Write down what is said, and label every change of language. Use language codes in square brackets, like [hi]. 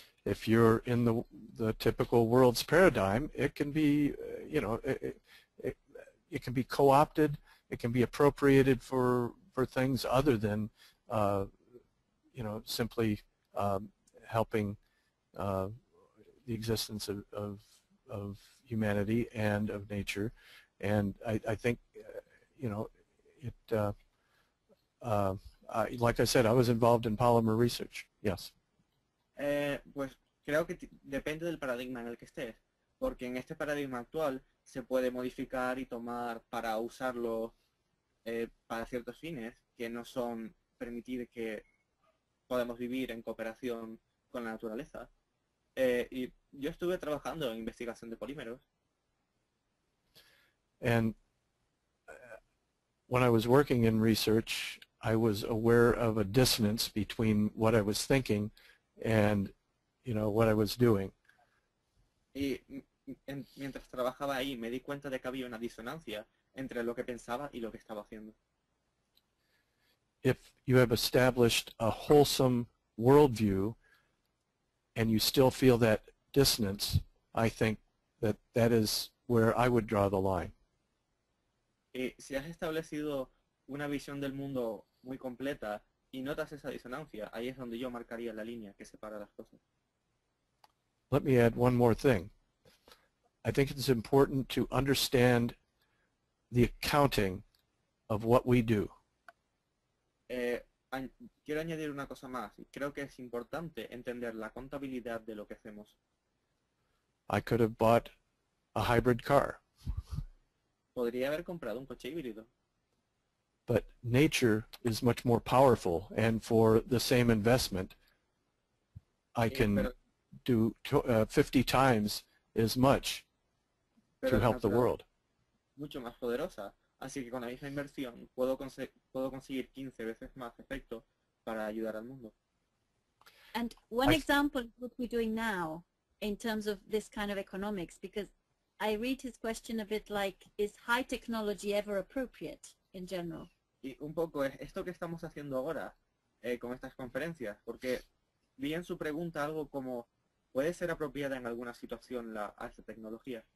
[en] If you're in the typical world's paradigm, it can be, it can be co-opted, it can be appropriated for things other than, simply helping the existence of humanity and of nature. And I think, like I said, I was involved in polymer research. Yes. [es] Pues creo que depende del paradigma en el que estés, porque en este paradigma actual se puede modificar y tomar para usarlo para ciertos fines que no son permitir que podamos vivir en cooperación con la naturaleza. Y yo estuve trabajando en investigación de polímeros. [en] And when I was working in research, I was aware of a dissonance between what I was thinking and, what I was doing. [es] Y mientras trabajaba ahí, me di cuenta de que había una disonancia entre lo que pensaba y lo que estaba haciendo. [en] If you have established a wholesome worldview and you still feel that dissonance, I think that is where I would draw the line. [es] Y si has establecido una visión del mundo muy completa, y notas esa disonancia, ahí es donde yo marcaría la línea que separa las cosas. [en] Let me add one more thing. I think it's important to understand the accounting of what we do. [es] Quiero añadir una cosa más. Creo que es importante entender la contabilidad de lo que hacemos. [en] I could have bought a hybrid car. [es] Podría haber comprado un coche híbrido. [en] But nature is much more powerful, and for the same investment, I can do 50 times as much to help the world. [es] Mucho más poderosa, así que con la misma inversión puedo conseguir 15 veces más efecto para ayudar al mundo. [en] And one example of what we're doing now in terms of this kind of economics, because I read his question a bit like, is high technology ever appropriate in general? [es] Y un poco es esto que estamos haciendo ahora con estas conferencias, porque vi en su pregunta algo como, ¿puede ser apropiada en alguna situación la alta tecnología?